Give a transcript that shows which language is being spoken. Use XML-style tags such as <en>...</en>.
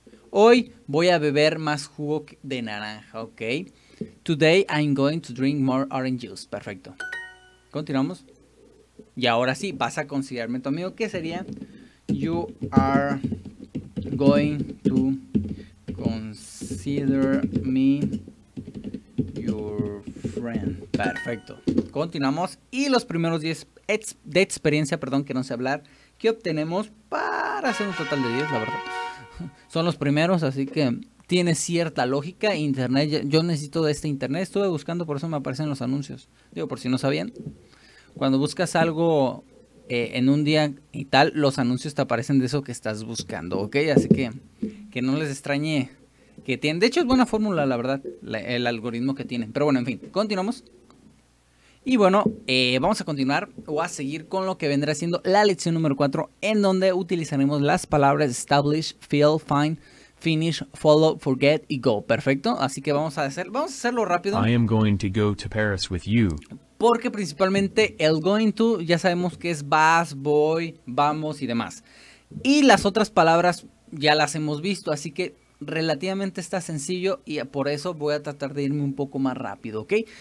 <es>Hoy voy a beber más jugo de naranja, ¿ok?</es> <en>Today I'm going to drink more orange juice.</en> <es>Perfecto. Continuamos. Y ahora sí, vas a considerarme tu amigo. ¿Qué sería?</es> <en>You are going to consider me your friend.</en> <es>Perfecto. Continuamos. Y los primeros 10 de experiencia, perdón, que no sé hablar, que obtenemos para hacer un total de 10, la verdad. Son los primeros, así que tiene cierta lógica. Internet, yo necesito de este internet. Estuve buscando, por eso me aparecen los anuncios. Digo, por si no sabían. Cuando buscas algo en un día y tal, los anuncios te aparecen de eso que estás buscando, ¿ok? Así que no les extrañe que tienen. De hecho, es buena fórmula, la verdad, el algoritmo que tienen. Pero bueno, en fin, continuamos. Y bueno, vamos a continuar o a seguir con lo que vendrá siendo la lección número 4, en donde utilizaremos las palabras establish, feel, find, finish, follow, forget y go. Perfecto. Así que vamos a hacerlo rápido.</es> <en>I am going to go to Paris with you.</en> <es>Porque principalmente el going to ya sabemos que es vas, voy, vamos y demás. Y las otras palabras ya las hemos visto, así que relativamente está sencillo y por eso voy a tratar de irme un poco más rápido, ¿ok?</es>